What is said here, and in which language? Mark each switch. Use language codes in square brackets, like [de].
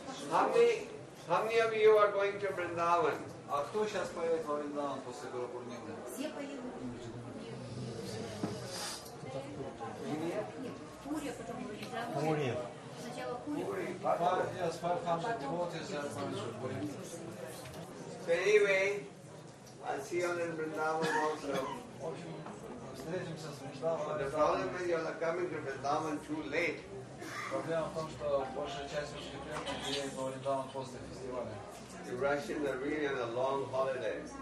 [en] How many of you are going to Vrindavan? [ru] А кто сейчас поедет во Вриндаван после Гуру Пурнимы? Все поедут. Пурия, потом Вриндаван. Пурия. Сначала Пурия. Пурия. [en] So anyway, I'll see you in Vrindavan also. [ru] Встретимся с Вриндаваном. [en] The problem is you're coming to Vrindavan too late. [ru] Проблема в том, что большая часть русских клиентов приедет во Вриндаван после фестиваля. [en] The Russians are really on a long holiday.